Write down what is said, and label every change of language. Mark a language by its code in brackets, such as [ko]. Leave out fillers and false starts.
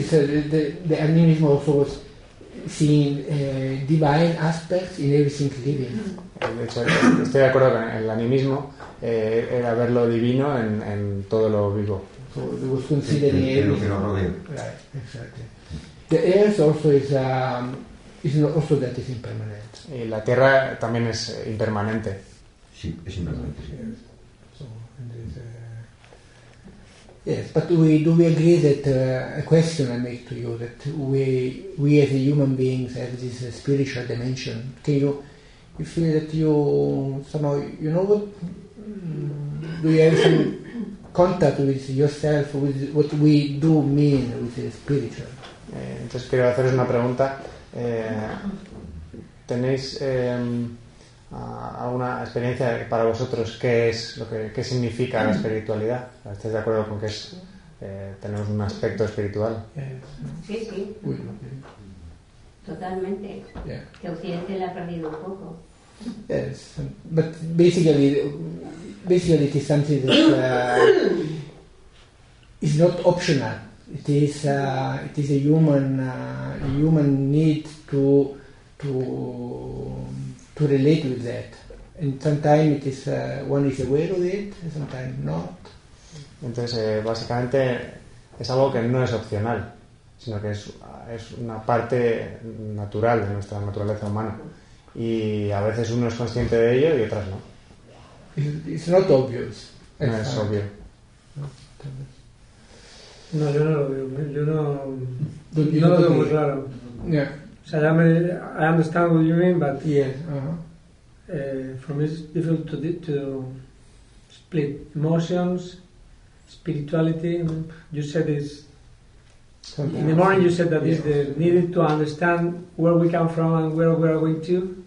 [en] The animism also was seeing divine aspects in everything living. [es] De hecho, estoy de acuerdo con el animismo, era ver lo divino en todo lo vivo. [en] So it was considered [es] en lo que nos rodea. [en] Right, exactly. The earth also is also that is impermanent. [es] Y la tierra también es impermanente. Sí, es impermanente, sí. [en] So, and this, yes, but we do we agree that a question I make to you, that we as human beings have this spiritual dimension. Can you, you feel that you somehow, you know what, do you have some contact with yourself, with what we do mean with the spiritual? [es] Entonces quiero haceros una pregunta. ¿Tenéis alguna experiencia para vosotros qué es lo que qué significa la espiritualidad? ¿Estáis de acuerdo con que es tenemos un aspecto espiritual? Sí, sí. Totalmente. Yeah. Que Occidente la ha perdido un poco. [en] Yes, but basically it is something that is not optional. It is a human need to relate with that, and sometimes it is one is aware of it, sometimes not. [es] Entonces, básicamente, es algo que no es opcional, sino que es una parte natural de nuestra naturaleza humana, y a veces uno es consciente de ello y otras no. [en] It's not obvious. [es] No es obvio. No, yo no lo veo, yo no, no lo veo muy claro. Yeah. O sea, [en] I understand what you mean, but yes, uh-huh. For me it's difficult to split emotions, spirituality. You said this in the morning. You said that yes. Is the needed to understand where we come from and where we are going to.